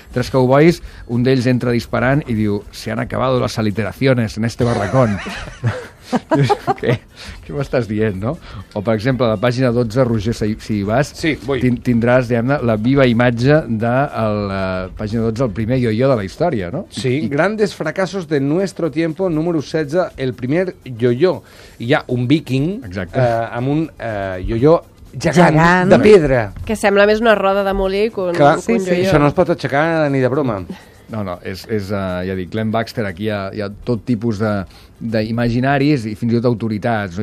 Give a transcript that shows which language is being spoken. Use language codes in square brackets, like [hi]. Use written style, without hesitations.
[ca] Tres cowboys, un d'ells entra disparant i diu [es] «Se han acabado las aliteraciones en este barracón». [ca] Què m'estàs dient, no? O, per exemple, a la pàgina 12, Roger, si hi vas, sí, tindràs, diguem-ne, la viva imatge de la pàgina 12, el primer yo-yo de la història, no? [es] Sí, grandes fracassos de nuestro tiempo, número 16, el primer yo-yo. [ca] Hi ha un viking amb un yo-yo gegant de pedra. Que sembla més una roda de molí que un yo-yo. Això no es pot aixecar ni de broma. No, no, és ja dic, Glenn Baxter, aquí hi ha tot tipus d'imaginaris i fins i tot autoritats. No?